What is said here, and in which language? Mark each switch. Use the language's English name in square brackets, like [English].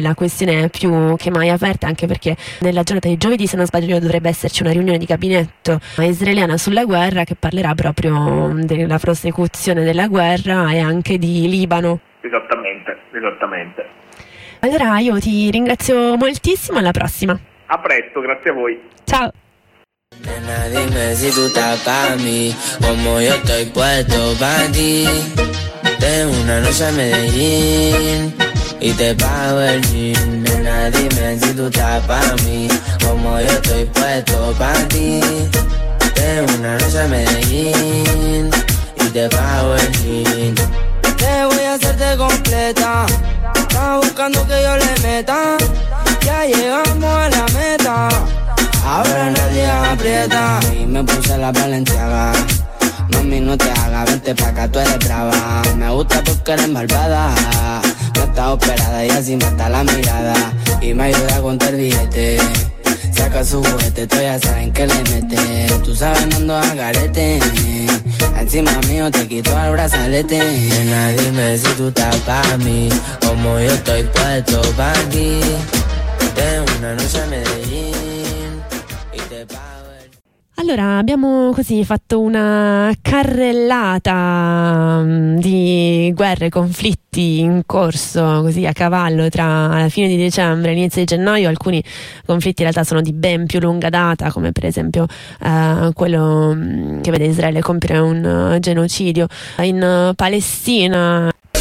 [Italian] La questione è più che mai aperta, anche perché nella giornata di giovedì, se non sbaglio, dovrebbe esserci una riunione di gabinetto israeliana sulla guerra, che parlerà proprio della prosecuzione della guerra e anche di Libano. Esattamente, esattamente. Allora io ti ringrazio moltissimo, alla prossima. A presto, grazie a voi. Ciao. [Spanish] Nena dime si tu sta pa mi, como yo estoy puesto pa ti. De una noche a Medellín y te pago el gin. Nena dime si tu sta pa mi, como yo estoy puesto pa ti. De una noche a Medellín y te pago el gin. Te voy a hacerte completa. Está buscando que yo le meta. Ya llegamos a la meta. Ahora nadie aprieta. Y me puse la Balenciaga. Mami, no te hagas, vente pa' acá, tú eres brava. Me gusta porque eres malvada. No está operada y así mata la mirada. Y me ayuda con el billete. Saca su juguete, tú ya sabes que le metes. Tú sabes, no ando a garete. Encima mío te quito el brazalete. Nena, dime si tú estás pa' mí, como yo estoy puesto pa' ti. De una noche a Medellín y te pago el... [Italian] Allora, abbiamo così fatto una carrellata di guerre e conflitti in corso, così a cavallo tra la fine di dicembre e inizio di gennaio. Alcuni conflitti in realtà sono di ben più lunga data, come per esempio quello che vede Israele compiere un genocidio in Palestina.